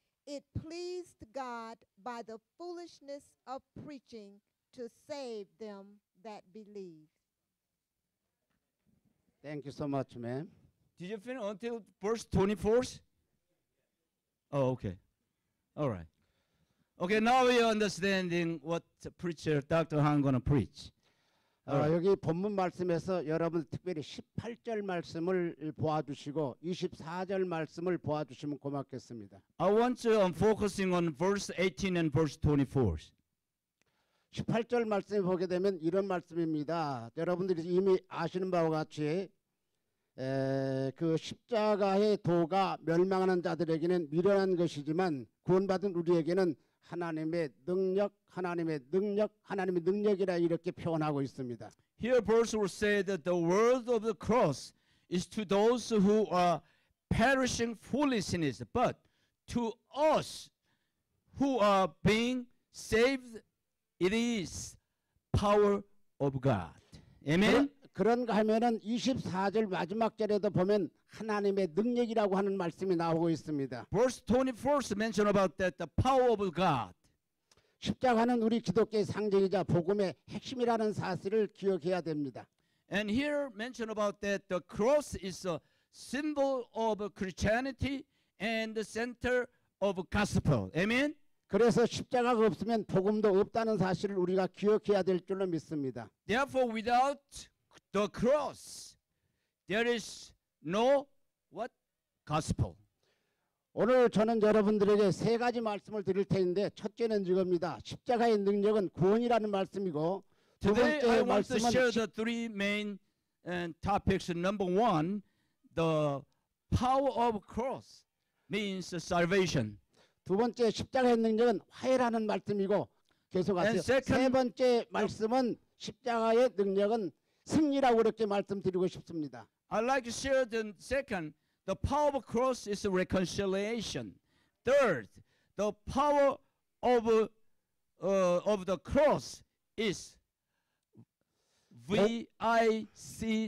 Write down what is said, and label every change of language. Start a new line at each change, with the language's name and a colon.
English: It pleased God by the foolishness of preaching to save them that believe. Thank you so much, ma'am. Did you finish until verse 24? Oh, okay. All right. Okay, now we are understanding what preacher Dr. Han is going to preach.
Korean: 여기 본문 말씀에서 여러분 특별히 18절 말씀을 보아주시고 24절 말씀을 보아주시면 고맙겠습니다.
English: I want to focusing on verse 18 and verse 24.
Korean: 18절 말씀을 보게 되면 이런 말씀입니다. 여러분들이 이미 아시는 바와 같이 그 십자가의 도가 멸망하는 자들에게는 미련한 것이지만 구원받은 우리에게는 하나님의 능력, 하나님의 능력, 하나님의 능력이라 이렇게 표현하고 있습니다.
English: Here verse will say that the word of the cross is to those who are perishing foolishness, but to us who are being saved, it is power of God. Amen?
Korean: 그런가 하면은 24절 마지막 절에도 보면 하나님의 능력이라고 하는 말씀이 나오고 있습니다.
English: Verse 24 mention about that the power of God.
Korean: 십자가는 우리 기독교의 상징이자 복음의 핵심이라는 사실을 기억해야 됩니다.
English: And here mention about that the cross is a symbol of Christianity and the center of gospel. Amen.
Korean: 그래서 십자가가 없으면 복음도 없다는 사실을 우리가 기억해야 될 줄로 믿습니다.
English: Therefore without the cross, there is no what gospel.
Korean: 오늘 저는 여러분들에게 세 가지 말씀을 드릴 텐데 첫째는 이겁니다. 십자가의 능력은 구원이라는 말씀이고 두 번째 말씀은
English: Today I want to share the three main topics. Number one, the power of cross means salvation.
Korean: 두 번째 십자가의 능력은 화해라는 말씀이고 계속하세요.
English: Second,
Korean: 세 번째 말씀은 십자가의 능력은 승리라고 이렇게 말씀드리고 싶습니다.
English: I'd like to share the second. The power of cross is reconciliation. Third, the power of the cross is V-I-C-T-O-R-Y.